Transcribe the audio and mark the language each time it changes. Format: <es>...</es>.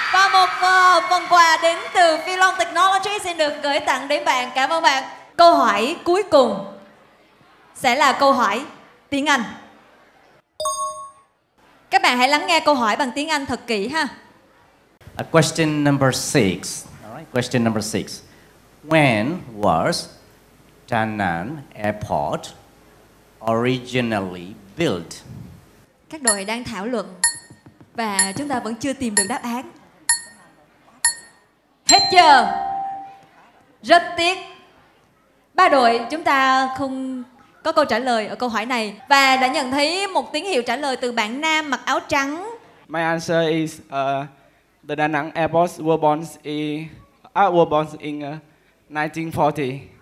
<vi>Và một phần quà đến từ Philon Technology xin được gửi tặng đến bạn. Cảm ơn bạn. Câu hỏi cuối cùng sẽ là câu hỏi tiếng Anh. Các bạn hãy lắng nghe câu hỏi bằng tiếng Anh thật kỹ ha.</vi> <en>Question number 6. Alright, question number 6. When was Da Nang Airport originally built?</en> <vi>Các đội đang thảo luận và chúng ta vẫn chưa tìm được đáp án. Hết giờ. Rất tiếc. Ba đội chúng ta không có câu trả lời ở câu hỏi này và đã nhận thấy một tín hiệu trả lời từ bạn Nam mặc áo trắng.</vi> <en>My answer is the Da Nang Airport was born in 1940.</en>